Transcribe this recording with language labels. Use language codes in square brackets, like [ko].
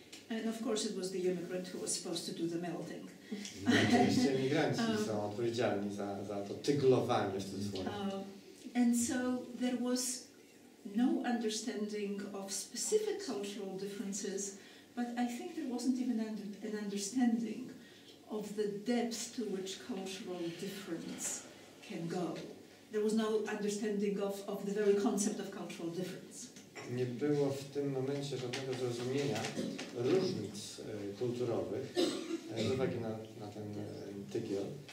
[en] And of course it was the immigrant who was supposed to do the melting. [pl] Oczywiście imigranci są odpowiedzialni za to tyglowanie, w cudzysłowie. [en] And so there was no understanding of specific cultural differences, but I think there wasn't even an understanding of the depth to which cultural difference can go. There was no understanding of the very concept of cultural difference. [pl] Nie było w tym momencie żadnego zrozumienia różnic kulturowych z uwagi na ten tygiel.